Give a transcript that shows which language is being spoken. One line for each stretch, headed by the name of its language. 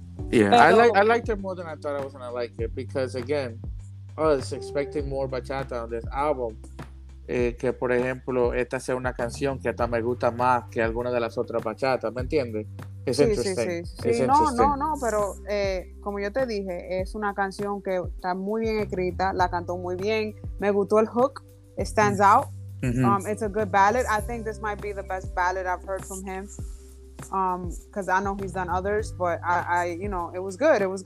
English: Yeah, pero, I liked it more than I thought I was going to like it because, again, I was expecting more bachata on this album.
Spanish: Que por ejemplo esta sea una canción que hasta me gusta más que alguna de las otras bachatas, ¿me entiendes? Es interesante. No, pero como yo te dije, es una canción que está muy bien escrita, la cantó muy bien, me gustó el hook,
English: it stands out. Mm-hmm. It's a good ballad. I think this might be the best ballad I've heard from him, because I know he's done others, but I you know, it was good.